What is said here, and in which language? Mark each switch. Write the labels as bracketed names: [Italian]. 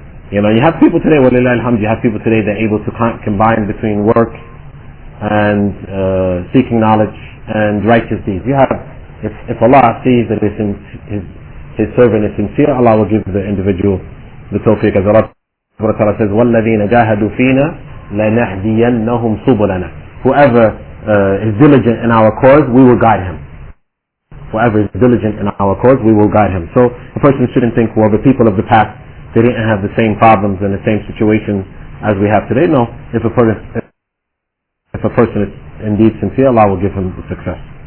[English] You know, you have people today, walillah alhamd, you have people today that are able to combine between work and seeking knowledge and righteous deeds. You have, if Allah sees that his servant is sincere, Allah will give the individual the tawfiq. As Allah says, [Arabic] وَالَّذِينَ جَاهَدُوا فِينَا لَنَهْدِيَنَّهُمْ سُبُلَنَا. [English] Whoever is diligent in our cause, we will guide him. Whoever is diligent in our cause, we will guide him. So a person shouldn't think, well, the people of the past, they didn't have the same problems and the same situations as we have today. No, if a person is indeed sincere, Allah will give him the success.